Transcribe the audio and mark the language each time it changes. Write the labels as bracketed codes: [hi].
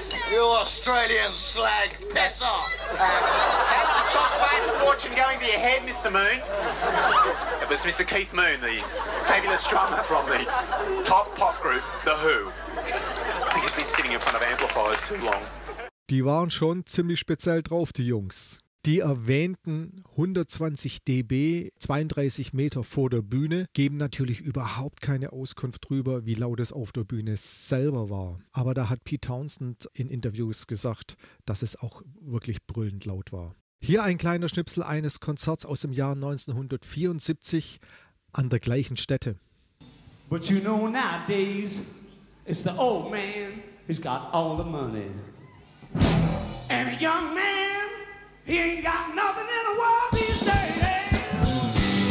[en] You Australian slag, piss off! How's the stock market fortune going to your head, Mr. Moon? It was Mr. Keith Moon, the fabulous drummer from the top pop group, The Who. I think he's been sitting in front of amplifiers too long. [de] Die waren schon ziemlich speziell drauf, die Jungs. Die erwähnten 120 dB, 32 Meter vor der Bühne, geben natürlich überhaupt keine Auskunft drüber, wie laut es auf der Bühne selber war. Aber da hat Pete Townshend in Interviews gesagt, dass es auch wirklich brüllend laut war. Hier ein kleiner Schnipsel eines Konzerts aus dem Jahr 1974 an der gleichen Stätte. [en] But you know nowadays, it's the old man, he's got all the money. And a young man. He ain't got nothing in the world these days.